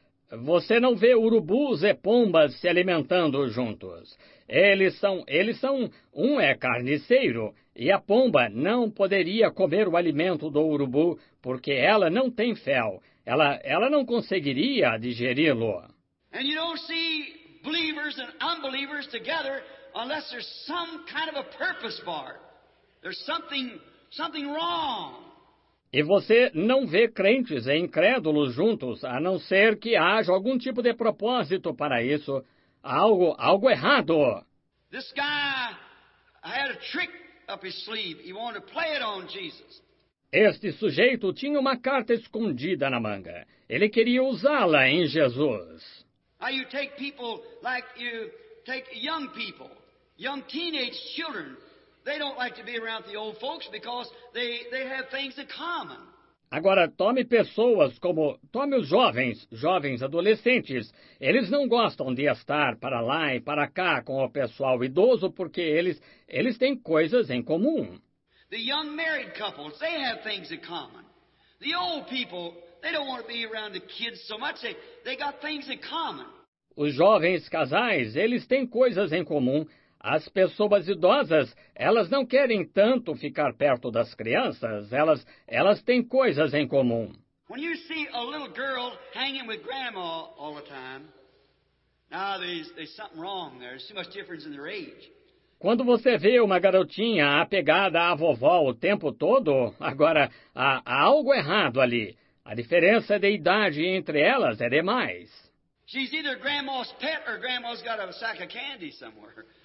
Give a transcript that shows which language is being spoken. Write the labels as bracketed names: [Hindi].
[Portuguese] Você não vê urubus e pombas se alimentando juntos. Eles são, um é carniceiro, e a pomba não poderia comer o alimento do urubu, porque ela não tem fel. Ela não conseguiria digeri-lo. [English] And you don't see believers and unbelievers together unless there's some kind of a purpose bar. There's something wrong. [Portuguese] E você não vê crentes e incrédulos juntos, a não ser que haja algum tipo de propósito para isso. Algo errado. [English] This guy had a trick up his sleeve. He wanted to play it on Jesus. [Portuguese] Este sujeito tinha uma carta escondida na manga. Ele queria usá-la em Jesus. [English] Now you take people like you take young people, young teenage children. They don't like to be around the old folks because they have things in common. [Portuguese] Agora, tome os jovens adolescentes. Eles não gostam de estar para lá e para cá com o pessoal idoso porque eles têm coisas em comum. [English] The young married couples, they have things in common. The old people, they don't want to be around the kids so much. They got things in common. [Portuguese] Os jovens casais, eles têm coisas em comum. As pessoas idosas, elas não querem tanto ficar perto das crianças, elas têm coisas em comum. [English] When you see a little girl hanging with grandma all the time, now there's something wrong there. There's too much difference in their age. [Portuguese] Quando você vê uma garotinha apegada à vovó o tempo todo, agora há algo errado ali. A diferença de idade entre elas é demais. [English] She's either grandma's pet or grandma's got a sack of candy somewhere.